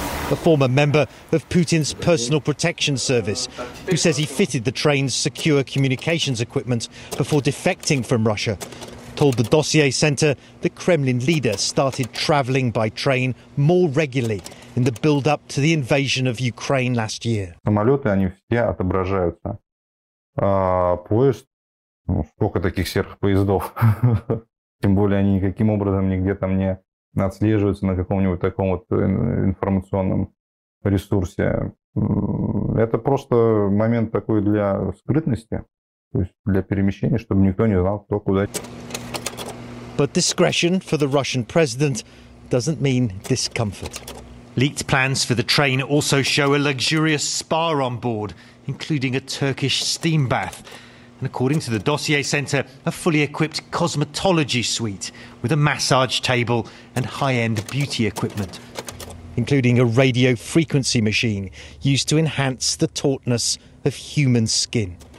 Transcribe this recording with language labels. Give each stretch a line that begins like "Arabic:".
English: A former member of Putin's personal protection service, who says he fitted the train's secure communications equipment before defecting from Russia, told the Dossier Center the Kremlin leader started traveling by train more regularly in the build-up to the invasion of Ukraine last year.
Russian: Самолеты, они все отображаются. Поезд, ну, сколько таких серых поездов. Тем более они никаким образом нигде там не отслеживаются на каком-нибудь таком вот информационном ресурсе. Это просто момент такой для скрытности, то есть для перемещения, чтобы никто не знал, кто куда.
English: But discretion for the Russian president doesn't mean discomfort. Leaked plans for the train also show a luxurious spa on board, including a Turkish steam bath. And according to the Dossier Center, a fully equipped cosmetology suite with a massage table and high-end beauty equipment, including a radio frequency machine used to enhance the tautness of human skin.